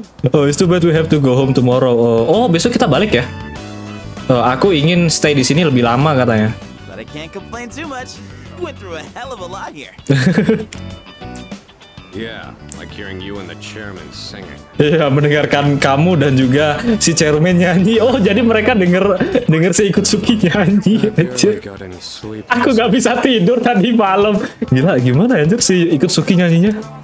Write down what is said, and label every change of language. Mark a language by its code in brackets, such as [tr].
[en] Oh, it's too bad we have to go home tomorrow. [id] Oh, besok kita balik ya? Oh, aku ingin stay di sini lebih lama katanya. [en] But I can't complain too much. Went through a hell of a lot here. Yeah, like hearing you and the chairman singing. [id] Yeah, mendengarkan kamu dan juga si chairman nyanyi. Oh, jadi mereka dengar si Ikutsuki nyanyi. Aku nggak bisa tidur tadi malam. Gila, gimana anjir si Ikutsuki nyanyinya?